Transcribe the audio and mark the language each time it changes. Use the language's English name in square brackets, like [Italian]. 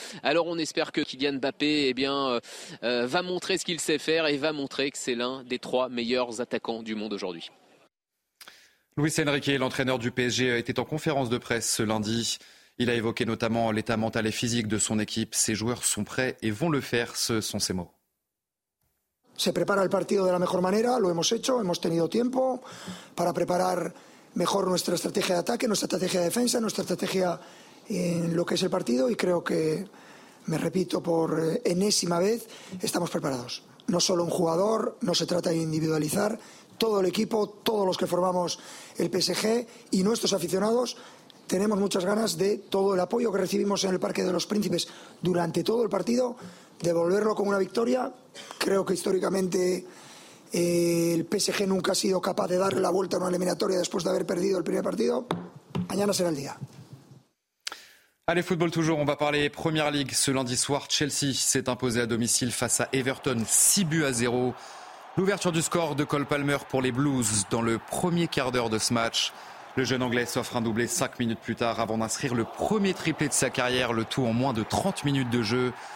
[French] Alors on espère que Kylian Mbappé va montrer ce qu'il sait faire et va montrer que c'est l'un des 3 meilleurs attaquants du monde aujourd'hui. Luis Enrique, l'entraîneur du PSG, était en conférence de presse ce lundi. Il a évoqué notamment l'état mental et physique de son équipe. Ses joueurs sont prêts et vont le faire, ce sont ses mots. [Spanish] se prepara el partido de la mejor manera, lo hemos hecho, hemos tenido tiempo para preparar mejor nuestra estrategia de ataque, nuestra estrategia de defensa, nuestra estrategia en lo que es el partido, y creo que, me repito por enésima vez, estamos preparados. No solo un jugador, no se trata de individualizar, todo el equipo, todos los que formamos el PSG y nuestros aficionados tenemos muchas ganas de todo el apoyo que recibimos en el Parque de los Príncipes durante todo el partido, devolverlo con una victoria. Creo que históricamente el PSG nunca ha sido capaz de darle la vuelta a una eliminatoria después de haber perdido el primer partido. Mañana será el día. [French] Allez, football toujours, on va parler Premier League. Ce lundi soir, Chelsea s'est imposé à domicile face à Everton, 6-0. L'ouverture du score de Cole Palmer pour les Blues dans le premier quart d'heure de ce match. Le jeune anglais s'offre un doublé 5 minutes plus tard avant d'inscrire le premier triplé de sa carrière, le tout en moins de 30 minutes de jeu.